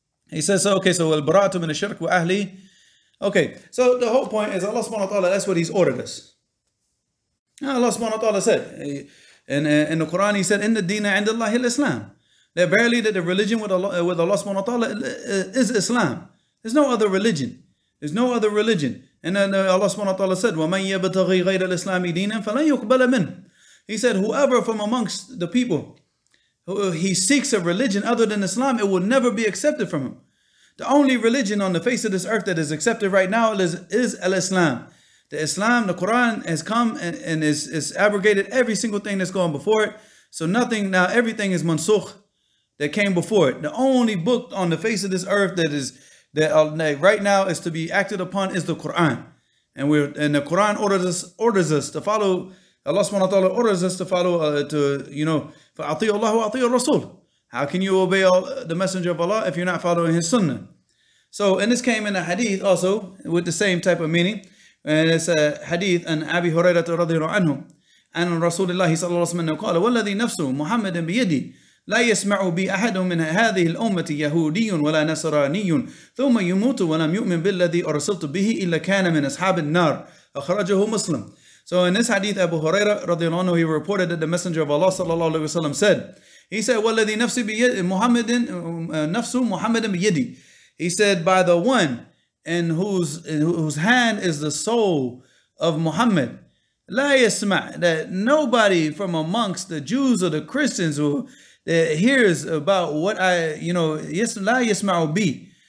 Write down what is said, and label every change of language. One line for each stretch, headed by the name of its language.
English: He says, so
Arabic: al-bara'atu min ash-shirk wa ahli.
English: Okay, so the whole point is Allah subhanahu wa ta'ala, that's what he's ordered us. Allah subhanahu wa ta'ala said, in the Quran, he said,
Arabic: inna deena indallahi al-islam.
English: That verily that the religion with Allah subhanahu wa ta'ala is Islam. There's no other religion. There's no other religion. And then Allah subhanahu wa ta'ala said,
Arabic: وَمَنْ يَبْتَغِي غَيْرَ الْإِسْلَامِ دِينًا فَلَنْ يُقْبَلَ مِنْهُ.
English: He said, whoever from amongst the people, he seeks a religion other than Islam, it will never be accepted from him. The only religion on the face of this earth that is accepted right now is al-Islam. The Islam, the Quran, has come and is abrogated every single thing that's gone before it. So nothing, now everything is mansukh that came before it. The only book on the face of this earth that right now is to be acted upon is the Quran. And the Quran orders us to follow. Allah subhanahu wa ta'ala orders us to follow,
Arabic: فَأَطِيُوا اللَّهُ وَأَطِيُوا الرَّسُولُ.
English: How can you obey the Messenger of Allah if you're not following his sunnah? So, and this came in a hadith also with the same type of meaning. And it's a hadith, and Abi Huraira radiallahu anhu, and Rasulullah sallallahu alayhi wa sallam qala,
Arabic: وَالَّذِي نَفْسُ مُحَمَّدٍ بِيَدِي لَا يَسْمَعُ بِي أَحَدٌ مِنْ هَذِهِ الْأُمَّةِ يَهُودِيٌّ وَلَا نَصْرَانِيٌّ ثُمَّ يُمُوتُ وَلَمْ يُؤْمِن بِالَّذِي أُرْسِلْتُ بِهِ إِلَّا كَانَ مِنْ أَصْحَابِ النَّارِ أَخْرَجَهُ مُسْلِمٌ.
English: So in this hadith, Abu Huraira radiallahu anhu, he reported that the Messenger of Allah sallallahu alayhi wa sallam said, he said,
Arabic: وَالَّذِي نَفْسِ بِيَدِ مُحَمَّدٍ نَفْسُ مُحَمَّدٍ بِيَدِ.
English: He said, by the one in whose hand is the soul of Muhammad,
Arabic: لَا يَسْمَعْ,
English: that nobody from amongst the Jews or the Christians who hears about what I,
Arabic: لَا يَسْمَعُ بِي,